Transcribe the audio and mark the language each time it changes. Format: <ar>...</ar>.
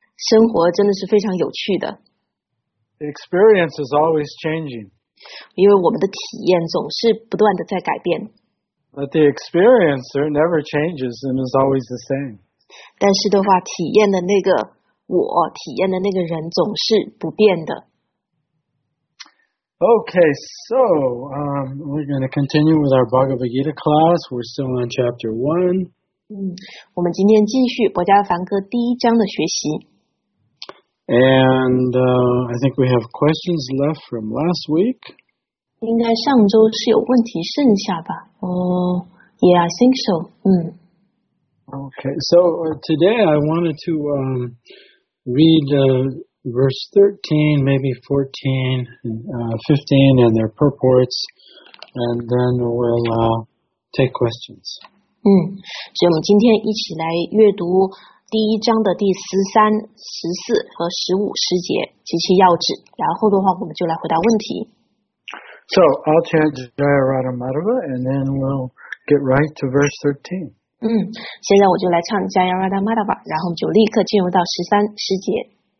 <zh>生活真的是非常有趣的。</zh> <en>Experience is always changing.</en> <zh>因为我们的体验总是不断的在改变。</zh> <en>But the experience never changes and is always the same.</en> <zh>但是的话，体验的那个我，体验的那个人总是不变的。</zh> <en>Okay, so we're going to continue with our Bhagavad Gita class. We're still on chapter 1.</en> <zh>我们今天继续《博迦梵歌》第一章的学习。</zh> <en>And I think we have questions left from last week.</en> <zh>应该上周是有问题剩下吧？</zh> <en>Yeah, I think so. Okay, so today I wanted to read verse 13, maybe 14, 15, and their purports, and then we'll take questions.</en> <zh>所以我们今天一起来阅读第一章的第13、14和15十节及其要旨，然后的话我们就来回答问题。</zh> <en>So I'll chant Jayarada Madhava, and then we'll get right to verse 13.</en> <zh>现在我就来唱 Jayarada Madhava， 然后就立刻进入到十三十节。</zh>